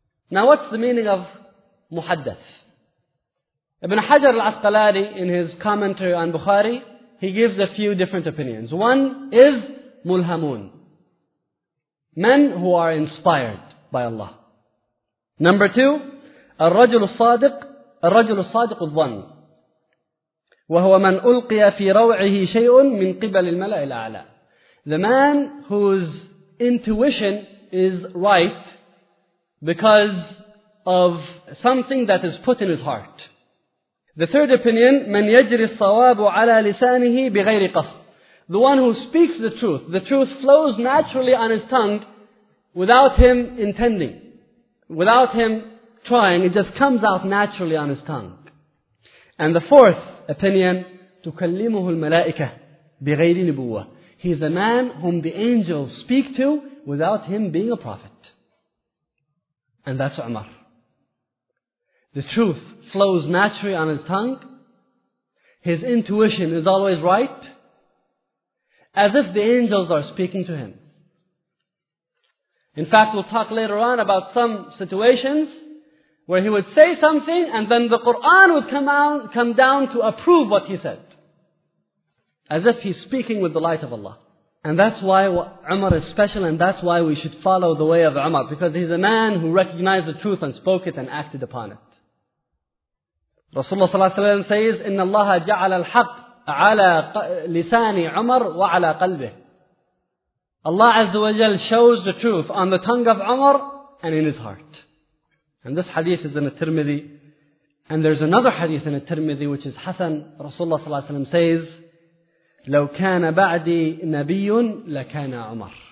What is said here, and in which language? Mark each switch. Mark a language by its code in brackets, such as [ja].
[en] Now what's the meaning of muhaddath? Ibn Hajar al-Asqalani, in his commentary on Bukhari, he gives a few different opinions. One is mulhamun. Men who are inspired by Allah. Number two, [ar] الرجل الصادق الظن وهو من ألقي في روعه شيء من قبل الملأ الأعلى. [en] The man whose intuition is right because of something that is put in his heart. The third opinion, [ar] من يجري الصواب على لسانه بغير قصد. [en] The one who speaks the truth flows naturally on his tongue without him intending, without him trying, it just comes out naturally on his tongue. And the fourth opinion, [ar] تكلمه الملائكة بغير نبوة. [en] He is a man whom the angels speak to without him being a prophet. And that's Umar. The truth flows naturally on his tongue. His intuition is always right, as if the angels are speaking to him. In fact, we'll talk later on about some situations where he would say something and then the Qur'an would come down to approve what he said. As if he's speaking with the light of Allah. And that's why Umar is special, and that's why we should follow the way of Umar. Because he's a man who recognized the truth and spoke it and acted upon it. Rasulullah sallallahu alayhi wa sallam says, [ar] إِنَّ اللَّهَ جَعَلَ الْحَقِّ عَلَى لِسَانِ عُمَرْ وَعَلَى قَلْبِهِ. [en] Allah Azza wa Jal shows the truth on the tongue of Umar and in his heart. And this hadith is in the Tirmidhi. And there's another hadith in the Tirmidhi which is Hasan. Rasulullah sallallahu alayhi wa sallam says, [ar] لَوْ كَانَ بَعْدِي نَبِيٌ لَكَانَ عُمَرٌ.